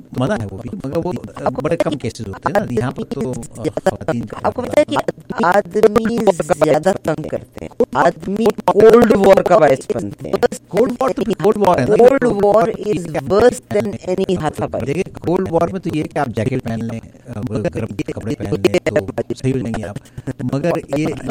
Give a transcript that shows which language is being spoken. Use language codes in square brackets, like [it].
[ur] منع ہے وہ بھی مگر وہ بڑے کم کیسز ہوتے ہیں نا یہاں پر تو آپ کو بتایا کہ آدمی زیادہ تنگ کرتے ہیں آدمی کولڈ وار کا باعث بنتے ہیں کولڈ وار تو کولڈ وار ہے [en] cold war is worse than any hot war [ur] دیکھیں کولڈ وار میں تو یہ کہ آپ جیکٹ پہن لیں گرم کپڑے پہن لیں تو صحیح ہو جائیں گے آپ مگر یہ